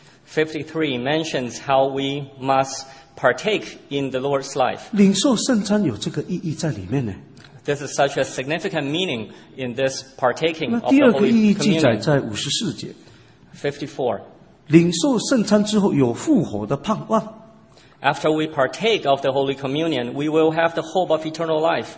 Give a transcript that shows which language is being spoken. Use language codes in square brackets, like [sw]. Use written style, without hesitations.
[en] 53 mentions how we must partake in the Lord's life. [zh] 领受圣餐有这个意义在里面呢。 [en] This is such a significant meaning in this partaking of the Holy Communion. [zh] 那第二个意义记载在54节。 [en] 54. [zh] 领受圣餐之后有复活的盼望。 [en] After we partake of the Holy Communion, we will have the hope of eternal life.